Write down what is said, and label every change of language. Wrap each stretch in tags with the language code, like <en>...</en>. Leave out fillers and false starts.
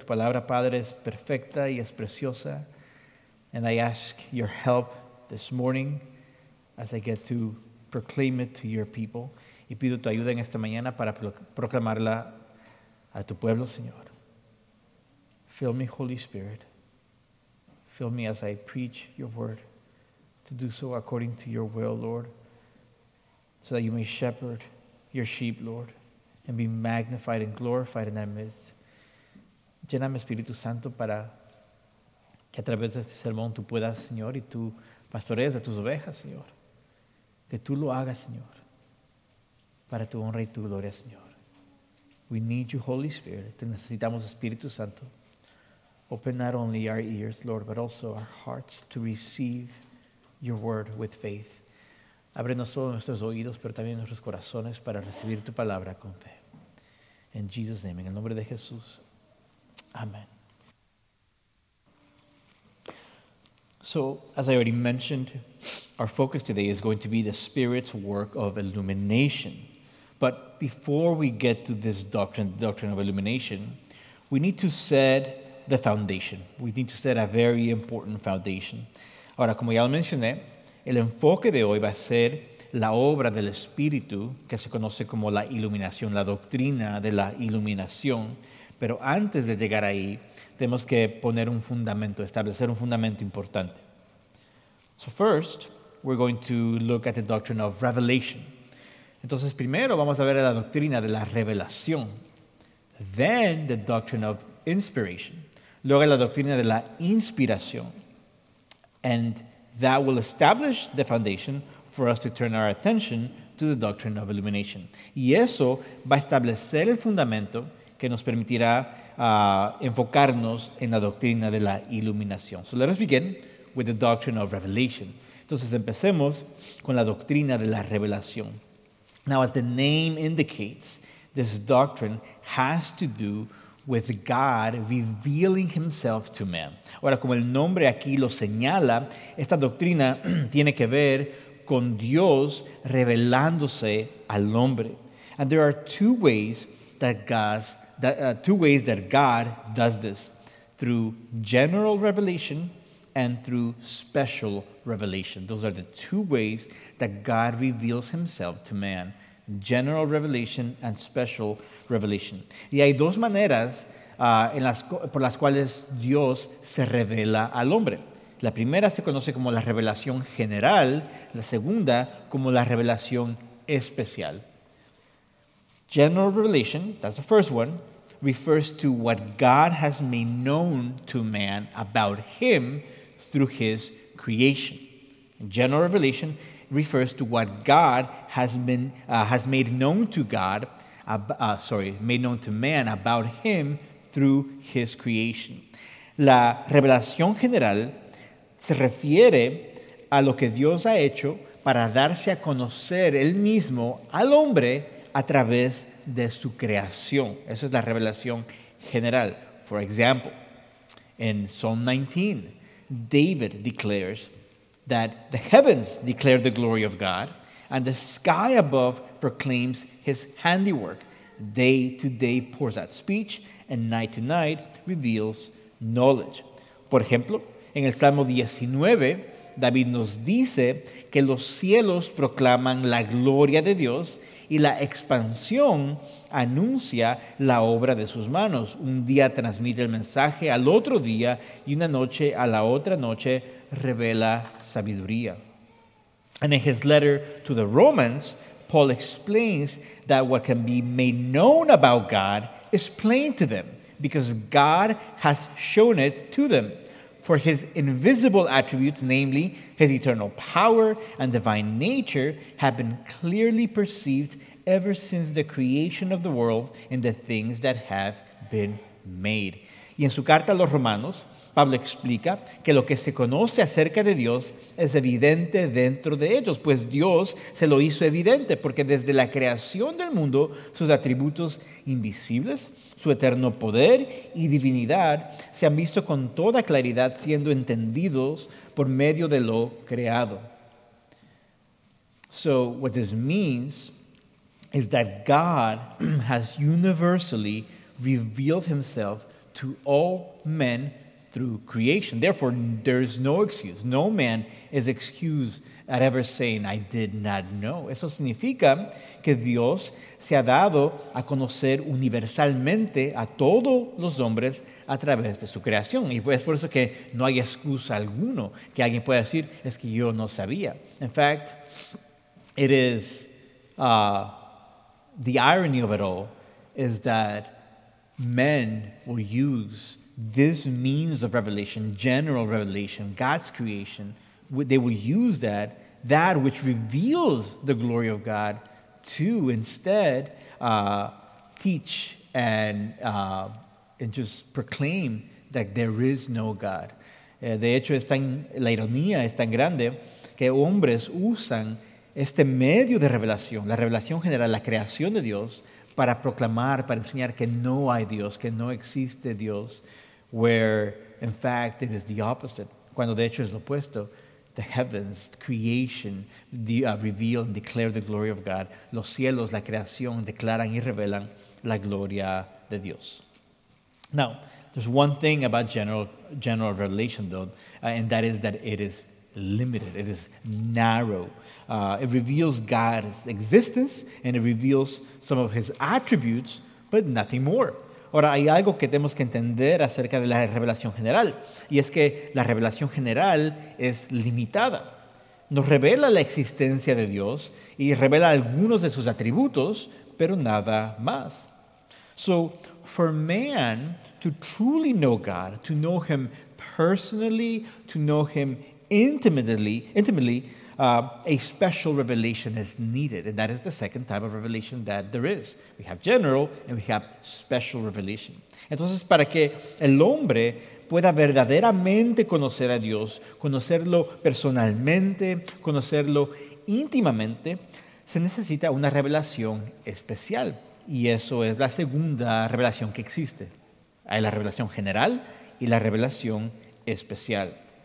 <es>Tu palabra, Padre, es perfecta y es preciosa.</es> <en>And I ask your help this morning, as I get to proclaim it to your people,</en> <es>y pido tu ayuda en esta mañana para proclamarla a tu pueblo, Señor.</es> <en>Fill me, Holy Spirit. Fill me as I preach your word, to do so according to your will, Lord, so that you may shepherd your sheep, Lord, and be magnified and glorified in their midst.</en> <es>Lléname, Espíritu Santo, para que a través de este sermón tú puedas, Señor, y tú pastorees de tus ovejas, Señor. Que tú lo hagas, Señor, para tu honra y tu gloria, Señor.</es> <en>We need you, Holy Spirit.</en> <es>Te necesitamos, Espíritu Santo.</es> <en>Open not only our ears, Lord, but also our hearts to receive your word with faith. Abre no solo nuestros oídos, pero también nuestros corazones para recibir tu palabra con fe. In Jesus' name,</en> <es>en el nombre de Jesús.</es> <en>Amen. So, as I already mentioned, our focus today is going to be the Spirit's work of illumination. But before we get to this doctrine, the doctrine of illumination, we need to set the foundation. We need to set a very important foundation.</en> <es>Ahora, como ya lo mencioné, el enfoque de hoy va a ser la obra del Espíritu, que se conoce como la iluminación, la doctrina de la iluminación. Pero antes de llegar ahí, tenemos que poner un fundamento, establecer un fundamento importante.</es> <en>So first, we're going to look at the doctrine of revelation.</en> <es>Entonces, primero vamos a ver la doctrina de la revelación.</es> <en>Then, the doctrine of inspiration.</en> <es>Luego, la doctrina de la inspiración.</es> <en>And that will establish the foundation for us to turn our attention to the doctrine of illumination.</en> <es>Y eso va a establecer el fundamento que nos permitirá enfocarnos en la doctrina de la iluminación.</es> <en>So let us begin with the doctrine of revelation.</en> <es>Entonces empecemos con la doctrina de la revelación.</es> <en>Now, as the name indicates, this doctrine has to do with God revealing himself to man.</en> <es>Ahora, como el nombre aquí lo señala, esta doctrina tiene que ver con Dios revelándose al hombre.</es> <en>And there are two ways that God does this, through general revelation and through special revelation. Those are the two ways that God reveals himself to man, general revelation and special revelation.</en> <es>Y hay dos maneras por las cuales Dios se revela al hombre. La primera se conoce como la revelación general, la segunda como la revelación especial.</es> <en>General revelation, that's the first one, refers to what God has made known to man about him through his creation. General revelation refers to what God has made known to man about him through his creation.</en> <es>La revelación general se refiere a lo que Dios ha hecho para darse a conocer él mismo al hombre a través de su creación. Esa es la revelación general.</es> <en>For example, in Psalm 19, David declares that the heavens declare the glory of God and the sky above proclaims his handiwork. Day to day pours out speech and night to night reveals knowledge.</en> <es>Por ejemplo, en el Salmo 19, David nos dice que los cielos proclaman la gloria de Dios y la expansión anuncia la obra de sus manos. Un día transmite el mensaje al otro día y una noche a la otra noche revela sabiduría.</es> <en>And in his letter to the Romans, Paul explains that what can be made known about God is plain to them because God has shown it to them. For his invisible attributes, namely his eternal power and divine nature, have been clearly perceived ever since the creation of the world in the things that have been made.</en> <es>Y en su carta a los Romanos, Pablo explica que lo que se conoce acerca de Dios es evidente dentro de ellos, pues Dios se lo hizo evidente, porque desde la creación del mundo, sus atributos invisibles, su eterno poder y divinidad se han visto con toda claridad siendo entendidos por medio de lo creado.</es> <en>So what this means is that God has universally revealed himself to all men through creation. Therefore, there is no excuse. No man is excused at ever saying, I did not know.</en> <es>Eso significa que Dios se ha dado a conocer universalmente a todos los hombres a través de su creación. Y es por eso que no hay excusa alguno que alguien pueda decir, es que yo no sabía.</es> <en>In fact, it is the irony of it all is that men will use this means of revelation, general revelation, God's creation, they will use that which reveals the glory of God, to instead teach and just proclaim that there is no God.</en> <es>De hecho, la ironía es tan grande que hombres usan este medio de revelación, la revelación general, la creación de Dios, para proclamar, para enseñar que no hay Dios, que no existe Dios,</es> <en>where, in fact, it is the opposite.</en> <es>Cuando de hecho es lo opuesto.</es> <en>The heavens, creation, reveal and declare the glory of God.</en> <es>Los cielos, la creación, declaran y revelan la gloria de Dios.</es> <en>Now, there's one thing about general revelation, though, and that is that it is limited. It is narrow. It reveals God's existence, and it reveals some of his attributes, but nothing more.</en> <es>Ahora, hay algo que tenemos que entender acerca de la revelación general, y es que la revelación general es limitada. nos revela la existencia de Dios y revela algunos de sus atributos, pero nada más.</es> <en>So, for man to truly know God, to know Him personally, to know Him intimately, a special revelation is needed. And that is the second type of revelation that there is. We have general and we have special revelation.</en> <es>Entonces, para que el hombre pueda verdaderamente conocer a Dios, conocerlo personalmente, conocerlo íntimamente, se necesita una revelación especial. Y eso es la segunda revelación que existe. Hay la revelación general y la revelación especial.</es>